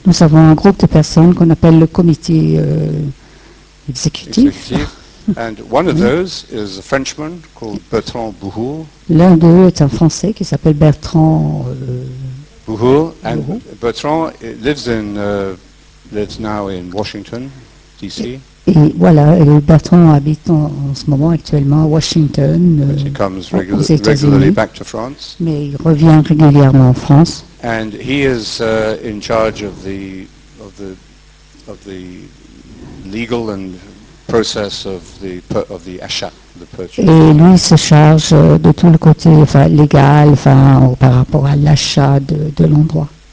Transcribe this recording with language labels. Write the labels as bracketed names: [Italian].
[French] Nous avons un groupe de personnes qu'on appelle le comité exécutif. [English] And one of those is a Frenchman called Bertrand Bouhour. [French] L'un d'eux est un Français qui s'appelle Bertrand [English] Bouhour. And Bertrand lives now in Washington, D.C. [French] Et voilà, et Bertrand habite en ce moment actuellement à Washington, [English] But he comes [French] aux États-Unis. [English] Regularly back to France. [French] Mais il revient régulièrement en France. [English] And he is in charge of the legal and process of the achat, the purchase. [French] Et lui se charge de tout le côté légal, par rapport à l'achat de l'endroit.